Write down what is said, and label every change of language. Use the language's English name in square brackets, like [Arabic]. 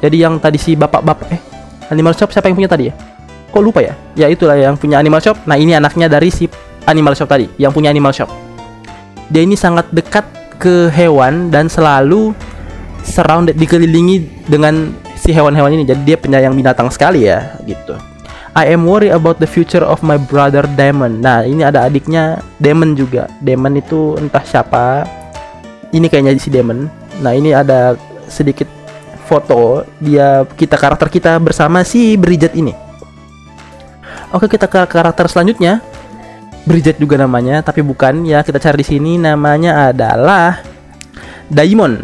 [Indonesian] Jadi yang tadi si bapak-bapak animal shop, siapa yang punya tadi ya, kok lupa ya, ya itulah yang punya animal shop. Nah, ini anaknya dari si animal shop tadi, yang punya animal shop. Dia ini sangat dekat ke hewan dan selalu surrounded, dikelilingi dengan si hewan-hewan ini. Jadi dia penyayang binatang sekali ya gitu. [English] I am worried about the future of my brother Damon. [Indonesian] Nah, ini ada adiknya Damon juga. Damon itu entah siapa. Ini kayaknya si Damon. Nah, ini ada sedikit foto dia, kita karakter kita bersama si Bridget ini. Oke, kita ke karakter selanjutnya. Bridget juga namanya, tapi bukan ya, kita cari di sini, namanya adalah Daimon.